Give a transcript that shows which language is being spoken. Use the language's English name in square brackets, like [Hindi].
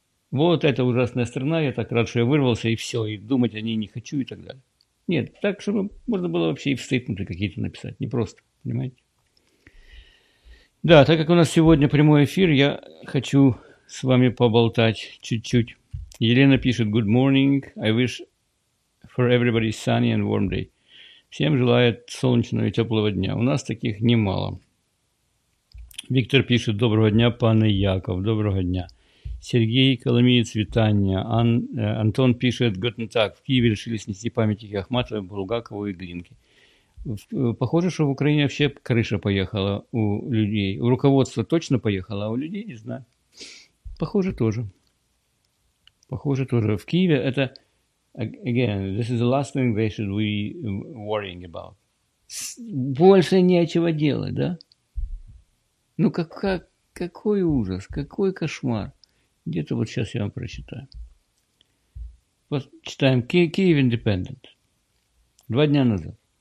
[Russian] Вот эта ужасная страна, я так рад, что я вырвался, и все, и думать о ней не хочу, и так далее. Нет, так, чтобы можно было вообще и в стейтменты какие-то написать, не просто, понимаете? Да, так как у нас сегодня прямой эфир, я хочу с вами поболтать чуть-чуть. Елена пишет: [English] «Good morning, I wish for everybody sunny and warm day». [Russian] Всем желает солнечного и теплого дня. У нас таких немало. Виктор пишет: «Доброго дня, пане Яков». Доброго дня. Сергей Коломиец, витання. Антон пишет: «Гутен так, в Киеве решили снести памятники Ахматовой, Булгакову и Глинке». Похоже, что в Украине вообще крыша поехала у людей. У руководства точно поехала, а у людей не знаю. Похоже, тоже. Похоже, тоже. В Киеве это... [English] Again, this is the last thing they should be worrying about. [Russian] Больше нечего делать, да? Ну, какой ужас, какой кошмар. Где-то вот сейчас я вам прочитаю. Почитаем. Киев Индепендент. 2 дня назад.